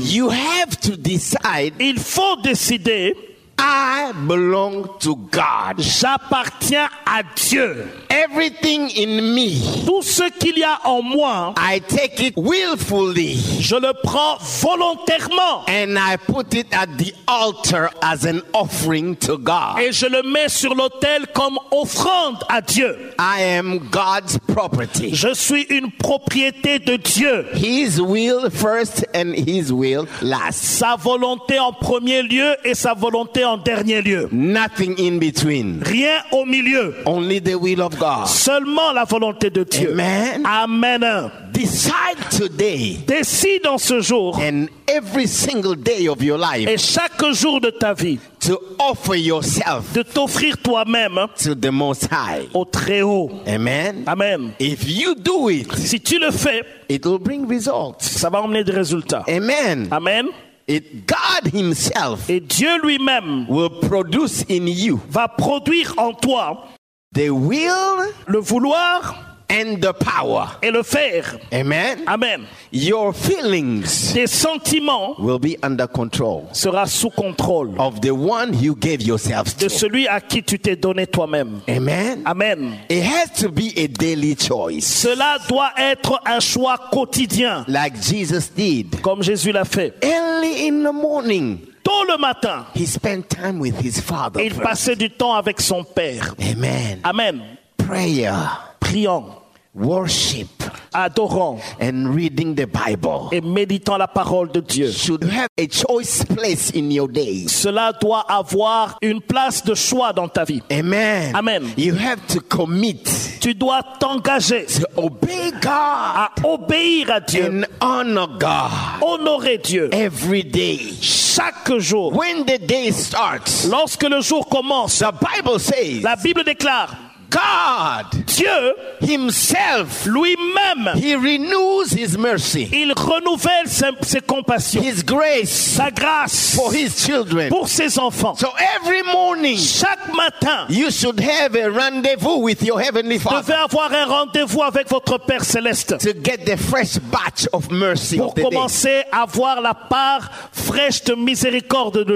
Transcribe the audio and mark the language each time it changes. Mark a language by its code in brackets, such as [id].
[en] You have to decide. [fr] Il faut décider. [en] I belong to God. [fr] J'appartiens à Dieu. [en] Everything in me. [fr] Tout ce qu'il y a en moi. [en] I take it willfully. [fr] Je le prends volontairement. [en] And I put it at the altar as an offering to God. [fr] Et je le mets sur l'autel comme offrande à Dieu. [en] I am God's property. [fr] Je suis une propriété de Dieu. [en] His will first and his will last. [fr] Sa volonté en premier lieu et sa volonté en dernier lieu. [en] Nothing in between. [fr] Rien au milieu. [en] Only the will of God. [fr] Seulement la volonté de Dieu. [en] Amen. [fr] Amen. [en] Decide today. [fr] Décide en ce jour. [en] And every single day of your life. [fr] Et chaque jour de ta vie. [en] To offer yourself. [fr] De t'offrir toi-même. [en] To the Most High. [fr] Au Très-Haut. [en] Amen. [fr] Amen. [en] If you do it. [fr] Si tu le fais. [en] It will bring results. [fr] Ça va emmener des résultats. [en] Amen. [fr] Amen. [en] It God himself [fr] et Dieu lui-même [en] will produce in you [fr] va produire en toi [en] the will [fr] le vouloir [en] and the power [fr] et le faire. [en] Amen. [fr] Amen. [en] Your feelings [fr] tes sentiments [en] will be under control [fr] sera sous contrôle [en] of the one you gave yourself to [fr] de celui à qui tu t'es donné toi-même. [en] Amen. [fr] Amen. [en] It has to be a daily choice. [fr] Cela doit être un choix quotidien [en] like Jesus did [fr] comme Jésus l'a fait. [en] Early in the morning [fr] tôt le matin [en] he spent time with his father [fr] il passait du temps avec son père. [en] Amen. [fr] Amen. [en] Prayer [fr] priant, [en] worship, [fr] adorant, [en] and reading the Bible, [fr] et méditant la parole de Dieu, [en] should have a choice place in your day. [fr] Cela doit avoir une place de choix dans ta vie. [en] Amen. [fr] Amen. [en] You have to commit. [fr] Tu dois t'engager. [en] To obey God. [fr] À obéir à Dieu. [en] And honor God. [fr] Honorer Dieu. [en] Every day. [fr] Chaque jour. [en] When the day starts. [fr] Lorsque le jour commence. [en] The Bible says. [fr] La Bible déclare. [en] God, [fr] Dieu, [en] himself, [fr] lui-même, [en] he renews his mercy, [fr] il renouvelle ses compassions, [en] his grace, [fr] sa grâce, [en] for his children, [fr] pour ses enfants. [en] So every morning, [fr] chaque matin, [en] you should have a rendezvous with your heavenly Father. [fr] Vous devez avoir un rendez-vous avec votre Père céleste. [en] To get the fresh batch of mercy [fr] pour [en] of the [fr] commencer [en] day. [fr] À voir la part fraîche de miséricorde de,